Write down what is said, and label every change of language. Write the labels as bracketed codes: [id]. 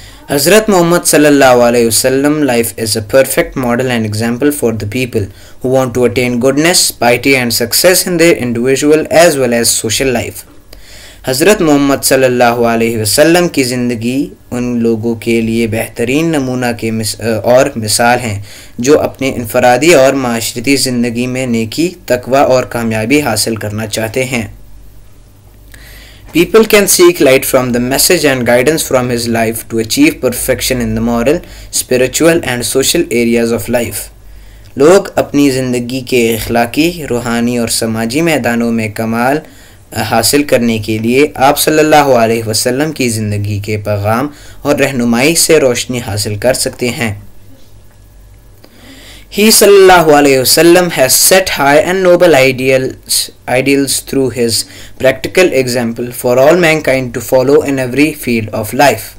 [en] حضرت محمد صلی اللہ علیہ وسلم life is a perfect model and example for the people who want to attain goodness, piety and success in their individual as well as social life. [ur] حضرت محمد صلی اللہ علیہ وسلم کی زندگی ان لوگوں کے لیے بہترین نمونہ کے اور مثال ہیں جو اپنے انفرادی اور معاشرتی زندگی میں نیکی, تقوی اور کامیابی حاصل کرنا چاہتے ہیں. [en] People can seek light from the message and guidance from his life to achieve perfection in the moral, spiritual and social areas of life. [ur] لوگ اپنی زندگی کے اخلاقی, روحانی اور سماجی میدانوں میں کمال حاصل کرنے کے لیے آپ صلی اللہ علیہ وسلم کی زندگی کے پیغام اور رہنمائی سے روشنی حاصل کر سکتے ہیں. [en] He صلی اللہ علیہ وسلم has set high and noble ideals through his practical example for all mankind to follow in every field of life.